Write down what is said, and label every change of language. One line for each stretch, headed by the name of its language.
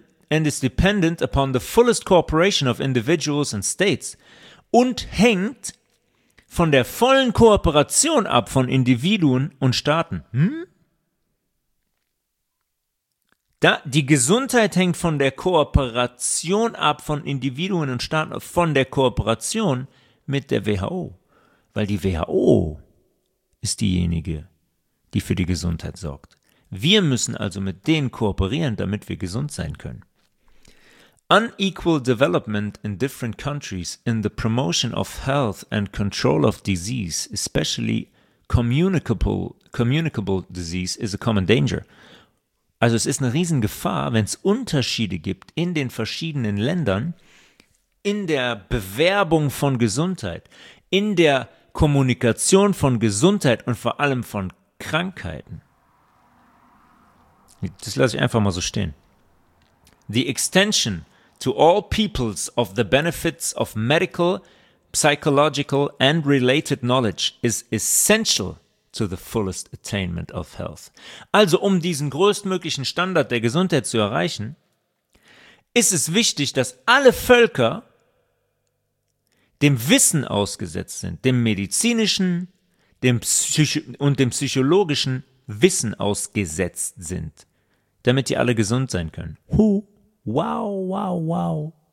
English: And is dependent upon the fullest cooperation of individuals and states.
German: Und hängt von der vollen Kooperation ab von Individuen und Staaten. Da, die Gesundheit hängt von der Kooperation ab von Individuen und Staaten, von der Kooperation mit der WHO. Weil die WHO ist diejenige, die für die Gesundheit sorgt. Wir müssen also mit denen kooperieren, damit wir gesund sein können.
English: Unequal development in different countries in the promotion of health and control of disease, especially communicable disease, is a common danger.
German: Also es ist eine Riesengefahr, wenn es Unterschiede gibt in den verschiedenen Ländern, in der Bewerbung von Gesundheit, in der Kommunikation von Gesundheit und vor allem von Krankheiten. Das lasse ich einfach mal so stehen.
English: The extension to all peoples of the benefits of medical, psychological and related knowledge is essential to the fullest attainment of health.
German: Also um diesen größtmöglichen Standard der Gesundheit zu erreichen, ist es wichtig, dass alle Völker dem Wissen ausgesetzt sind, dem medizinischen, dem psychologischen Wissen ausgesetzt sind, damit die alle gesund sein können. Wow, wow, wow.